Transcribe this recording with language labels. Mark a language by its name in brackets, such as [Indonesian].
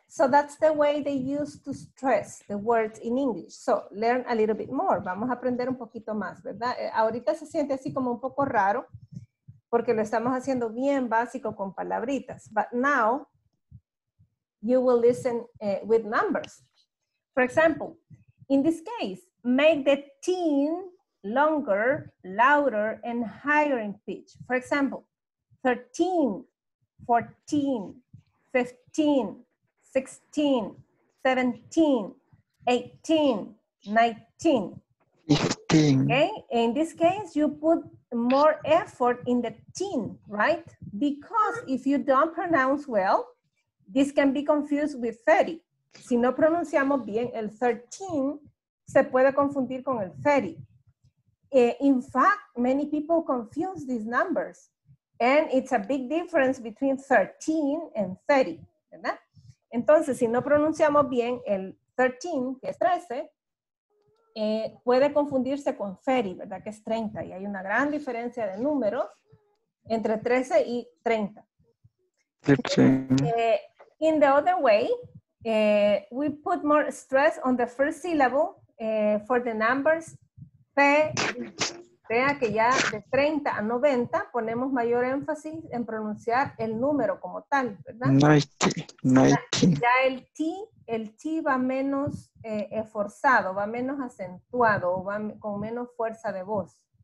[English] So that's the way they use to stress the words in English. So learn a little bit more. [Spanish] Vamos a aprender un poquito más, ¿verdad? Ahorita se siente así como un poco raro porque lo estamos haciendo bien básico con palabritas. [English] But now you will listen with numbers. For example, in this case, make the teen longer, louder, and higher in pitch. For example, 13, 14, 15, 16, 17, 18, 19. 15. Okay, in this case, you put more effort in the teen, right? Because if you don't pronounce well, this can be confused with 30. [Spanish] Si no pronunciamos bien el 13, se puede confundir con el 30. [English] In fact, many people confuse these numbers. And it's a big difference between 13 and 30, [Spanish] ¿verdad? Entonces, si no pronunciamos bien el 13, que es 13, puede confundirse con 30, ¿verdad? Que es 30. Y hay una gran diferencia de números entre 13 y 30. 13. [English] In the other way, we put more stress on the first syllable for the numbers P. [Spanish] Vea que ya de 30 a 90 ponemos mayor énfasis en pronunciar el número como tal, ¿verdad? 19. Ya el T va menos esforzado, va menos acentuado, va con menos fuerza de voz.